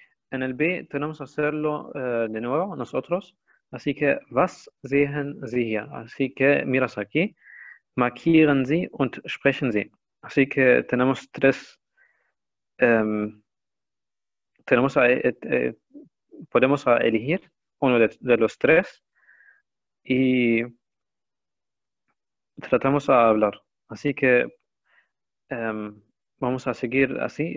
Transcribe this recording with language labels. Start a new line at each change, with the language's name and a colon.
Spanish: En el B tenemos que hacerlo de nuevo nosotros. Así que,
German: was sehen Sie hier?
Spanish: Así que, miras aquí.
German: Markieren Sie und sprechen Sie.
Spanish: Así que tenemos tres. Tenemos a, podemos a elegir uno de los tres. Y tratamos a hablar. Así que vamos a seguir así.